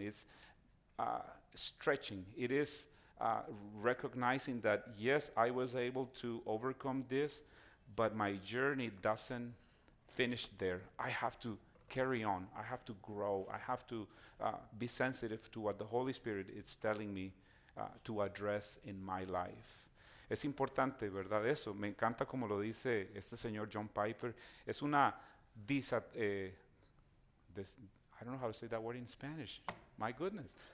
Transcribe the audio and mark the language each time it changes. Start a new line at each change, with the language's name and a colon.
English: It's stretching. It is recognizing that, yes, I was able to overcome this, but my journey doesn't finish there. I have to carry on. I have to grow. I have to be sensitive to what the Holy Spirit is telling me to address in my life.
Spanish: Es importante, ¿verdad? Eso. Me encanta como lo dice este señor John Piper. Es una...
English: I don't know how to say that word in Spanish. My goodness.